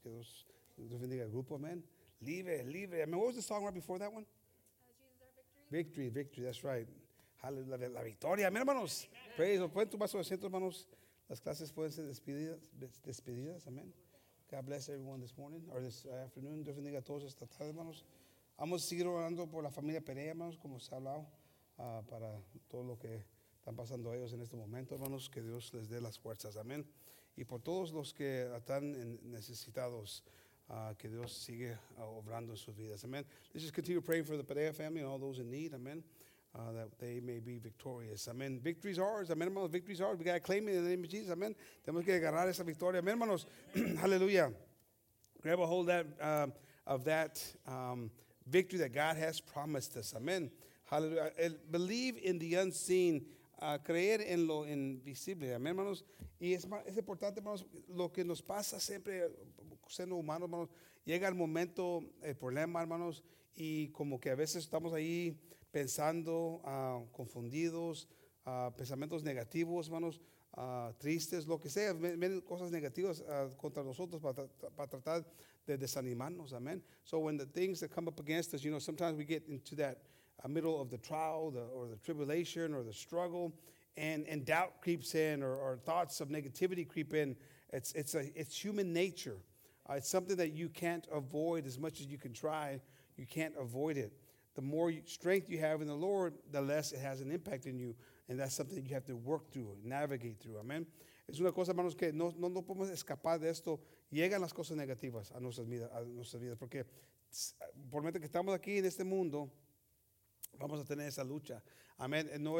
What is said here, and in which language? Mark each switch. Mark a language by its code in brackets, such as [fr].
[es] Que Dios bendiga el grupo, amén. Libre, libre. [en] I mean, what was the song right before that one? Victory. Victory, that's right. Hallelujah. [es] La victoria. Amén, hermanos. [en] Praise. [es] Pueden tomar su asiento, hermanos. Las clases pueden ser despedidas. Amén. [en] God bless everyone this morning, or this afternoon. [es] Dios bendiga a todos esta tarde, hermanos. Vamos a seguir orando por la familia Perea, hermanos, como se ha hablado, para todo lo que están pasando ellos en este momento, hermanos. Que Dios les dé las fuerzas. Amén. Y por todos los que están necesitados, que Dios sigue obrando en sus vidas. Amén. [en] Let's just continue praying for the Perea family and all those in need. Amén. That they may be victorious. Amen. Victory is ours. Amen, hermanos. Victory is ours. We got to claim it in the name of Jesus. [es] Amen. Tenemos que agarrar esa victoria. Amen, hermanos. Hallelujah. [en] Grab a hold of that victory that God has promised us. Amen. Hallelujah. Believe in the unseen. [es] Creer en lo invisible. Amen, hermanos. Y es importante, hermanos, lo que nos pasa siempre, siendo humanos, hermanos, llega el momento, el problema, hermanos, y como que a veces estamos ahí pensando, confundidos, pensamientos negativos, hermanos, tristes, lo que sea, ven cosas negativas contra nosotros para tratar de desanimarnos, amen. [en] So when the things that come up against us, you know, sometimes we get into that middle of the trial or the tribulation or the struggle, and doubt creeps in or thoughts of negativity creep in. It's human nature. It's something that you can't avoid as much as you can try. You can't avoid it. The more strength you have in the Lord, the less it has an impact in you. And that's something you have to work through, navigate through. Amen. [es] Es una cosa, hermanos, que no podemos escapar de esto. Llegan las cosas negativas a nuestras vidas. Porque por lo menos que estamos aquí en este mundo, vamos a tener esa lucha. Amen.